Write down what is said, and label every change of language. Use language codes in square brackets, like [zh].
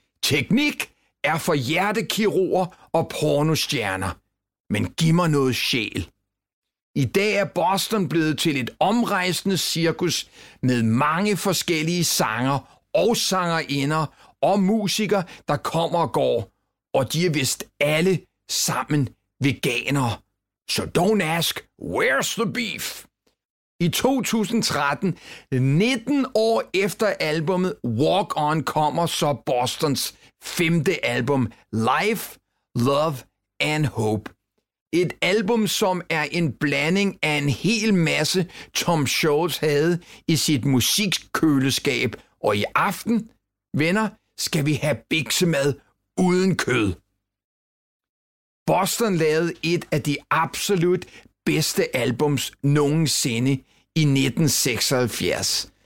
[da] Teknik er for hjertekirurger og pornostjerner. Men giv mig noget sjæl. I dag er Boston blevet til et omrejsende cirkus med mange forskellige sanger og sangerinder og musikere, der kommer og går. Og de er vist alle sammen veganere. Så [en] don't ask, where's the beef? [da] I 2013, 19 år efter albumet Walk On, kommer så Bostons 5. album Life, Love and Hope. Et album, som er en blanding af en hel masse Tom Scholz havde i sit musikkøleskab. Og i aften, venner, skal vi have biksemad uden kød. Boston lavede et af de absolut bedste albums nogensinde i 1976.